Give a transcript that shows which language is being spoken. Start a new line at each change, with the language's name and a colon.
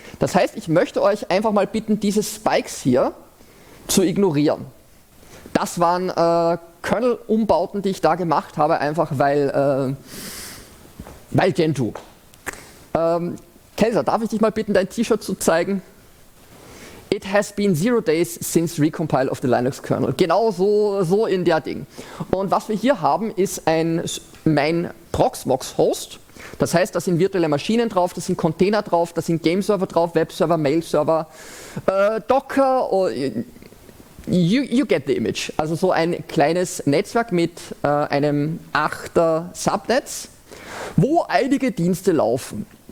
German: Das heißt, ich möchte euch einfach mal bitten, diese Spikes hier zu ignorieren. Das waren Kernel-Umbauten, die ich da gemacht habe, einfach weil Gentoo. Kaiser, darf ich dich mal bitten, dein T-Shirt zu zeigen?
English: It has been 0 days since recompile of the Linux kernel.
German: Genau so in der Ding. Und was wir hier haben, ist mein Proxmox-Host. Das heißt, da sind virtuelle Maschinen drauf, da sind Container drauf, da sind Game-Server drauf, Web-Server, Mail-Server, Docker.
English: You get the image.
German: Also so ein kleines Netzwerk mit einem 8er Subnetz, wo einige Dienste laufen.